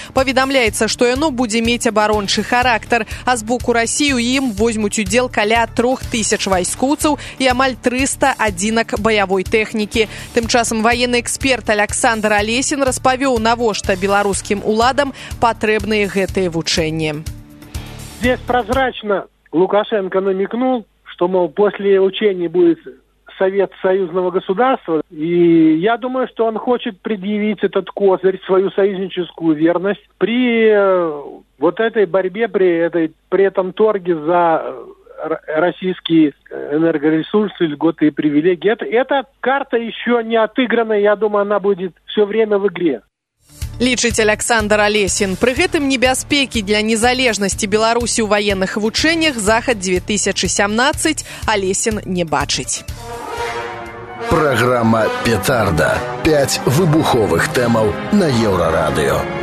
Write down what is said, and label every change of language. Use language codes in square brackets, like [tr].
[be] Паведамляецца, што яно будзе мець абарончы характар, а з боку Расіі ў ім возьмуць удзел каля 3000 вайскоўцаў і амаль 300 адзінак баявой тэхнікі. Тым часам ваенны эксперт Александр Алесін распавёў, навошта беларускім уладам патрэбныя гэтыя вучэнні. [ru] Здесь прозрачно Лукашенко намекнул, што, мол, после учэння будет совет союзного государства, и я думаю, что он хочет предъявить этот козырь, свою союзническую верность при вот этой борьбе, при этом торге за российские энергоресурсы, льготы и привилегии. Эта карта еще не отыграна, я думаю, она будет все время в игре. [be] Лічыць Александр Алесін. Пры гэтым небяспекі для незалежнасці Беларусі ў ваенных вучэннях Захад 2017 Алесін не бачыць. Праграма «Петарда». 5 выбуховых тэмаў на Еўрарадыё.